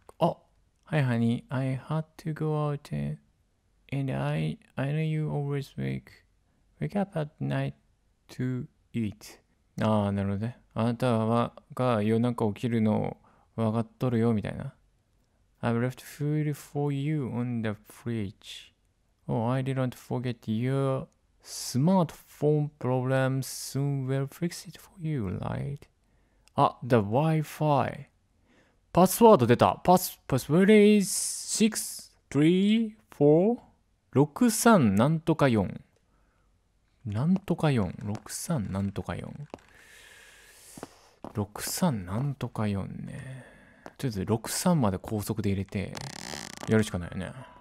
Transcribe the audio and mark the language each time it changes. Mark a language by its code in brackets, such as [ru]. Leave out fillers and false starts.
[en] あ、Hi honey, I had to go out and I know you always wake up at night to eat。 [ja] あー、なるほどね。あなたはが夜中起きるのを分かっとるよみたいな。 [en] I've left food for you on the fridge. Oh, I didn't forget your smartphone problem. Soon we'll fix it for you, right? [ja] あ、 [en] the Wi-Fi. [ja] パスワード出た。パスワード [en] is [ja] 634 63なんとか4。なんとか4。 63なんとか4。 63なんとか4ね。とりあえず63まで高速で入れてやるしかないよね。